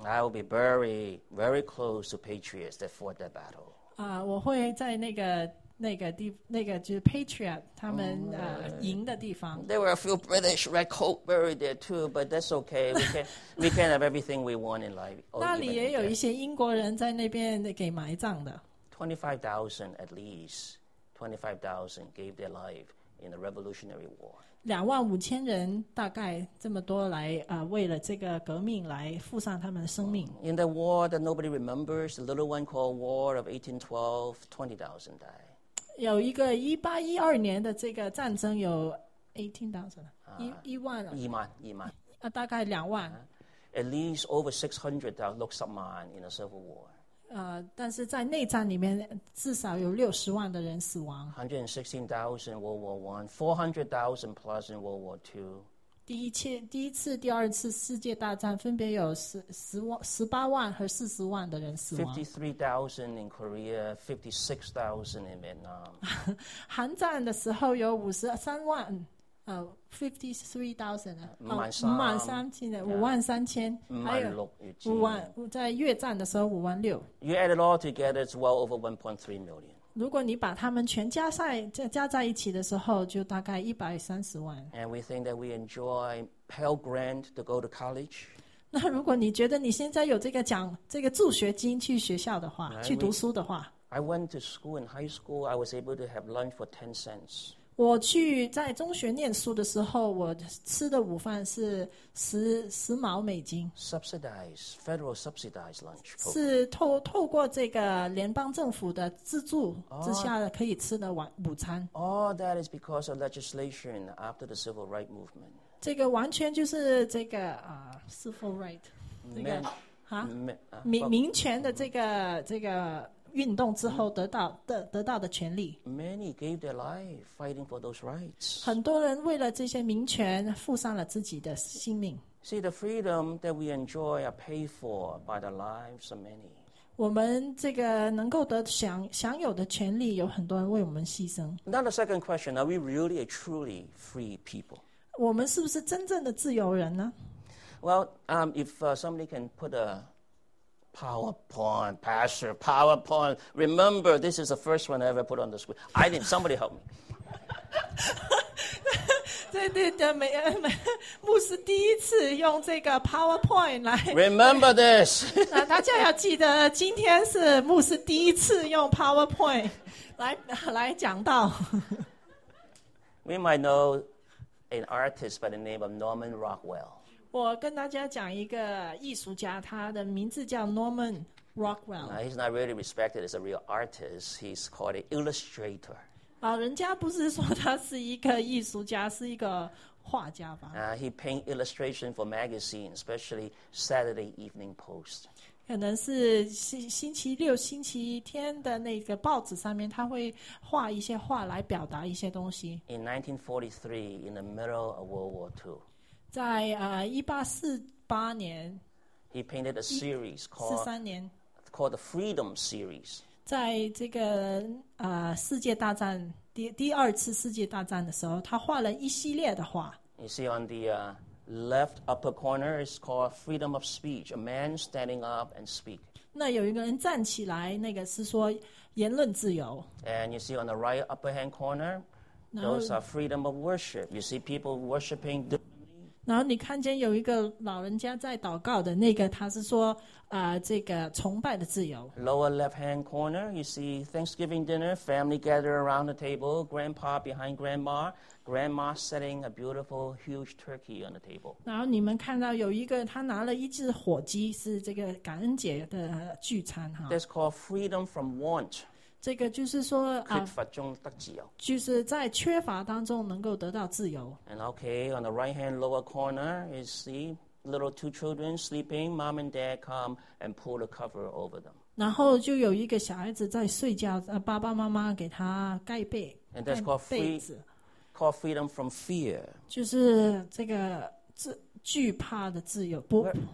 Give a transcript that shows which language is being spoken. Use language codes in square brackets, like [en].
[en] I will be buried very close to patriots that fought that battle. [zh] 我会在那个就是 Patriot 他们赢的地方。 [en] There were a few British red coat buried there too, but that's okay. We can have everything we want in life. [zh] 那里也有一些英国人在那边给埋葬的。 [en] 25,000 gave their life in the Revolutionary War. [zh] 25,000人大概这么多来为了这个革命来付上他们的生命。 [en] In the war that nobody remembers, the little one called War of 1812, 20,000 died. [zh] 有一个1812年的这个战争，有18,000，1万，大概2万。 [en] At least over 600 that looks up man in a civil war. [zh] 但是在内战里面，至少有600,000的人死亡。 [en] 116,000 World War I，400,000 plus in World War II。 [zh] 第一次、第二次世界大战分别有18万和400,000的人死亡。 [en] 53,000 in Korea, 56,000 in Vietnam. [zh] 韩战的时候有53万，53,000，满三千的53,000，还有在越战的时候56,000。 [en] You add it all together, it's well over 1.3 million. [zh] 如果你把他们全加在一起的时候，就大概130万。 [en] And we think that we enjoy Pell Grant to go to college. [zh] 那如果你觉得你现在有这个助学金去学校的话， [en] right, [zh] 去读书的话 [en] ，I went to school in high school. I was able to have lunch for 10 cents. [zh] 我去在中学念书的时候，我吃的午饭是10毛美金。 [en] Subsidized, federal subsidized lunch.、Program. [zh] 是透过这个联邦政府的资助之下可以吃的午餐。 [en] All that is because of legislation after the civil rights movement. [zh] 这个完全就是这个civil right 民权的这个运动之后得到的权利。 [en] Many gave their life fighting for those rights. [zh] 很多人为了这些民权付上了自己的性命。 [en] See, the freedom that we enjoy are paid for by the lives of many. [zh] 我们这个能够得享有的权利，有很多人为我们牺牲。 [en] Now the second question: Are we really a truly free people? [zh] 我们是不是真正的自由人呢 [en] ？Well, if somebody can put a PowerPoint, Pastor, PowerPoint. Remember, this is the first one I ever put on the screen. I need somebody help me. [zh] 对对的，牧师第一次用这个 PowerPoint 来。 [en] Remember this. [zh] 大家要记得，今天是牧师第一次用 PowerPoint 来讲道。 [en] We might know an artist by the name of Norman Rockwell. [zh] 我跟大家讲一个艺术家，他的名字叫 Norman Rockwell. [en] Now, he's not really respected as a real artist. He's called an illustrator. [zh] 人家不是说他是一个艺术家，是一个画家吧 [en] ？He paint illustration for magazine, especially Saturday Evening Post. [zh] 可能是星期六、星期天的那个报纸上面，他会画一些画来表达一些东西。 [en] In 1943, in the middle of World War II, [zh] 在1848年 [en] ，He painted a series called the Freedom Series. [zh] 在这个世界大战第二次世界大战的时候，他画了一系列的画。 [en] You see on the left upper corner is called Freedom of Speech, a man standing up and speak. [zh] 那有一个人站起来，那个是说言论自由。 [en] And you see on the right upper hand corner, those are freedom of worship. You see people worshiping the... [zh] 然后你看见有一个老人家在祷告的那个，他是说，这个崇拜的自由。 [en] Lower left hand corner, you see Thanksgiving dinner, family gathered around the table, grandpa behind grandma, grandma setting a beautiful huge turkey on the table. [zh] 然后你们看到有一个他拿了一只火鸡，是这个感恩节的聚餐哈。 [en] That's called freedom from want. [zh] 这个就是说缺乏中得自由，就是在缺乏当中能够得到自由。 [en] And okay, on the right hand lower corner is the little two children sleeping. Mom and dad come and pull the cover over them. [zh] 然后就有一个小孩子在睡觉，爸爸妈妈给他盖被。 [en] And that's called called freedom from fear. [zh] 就是这个惧怕的自由，不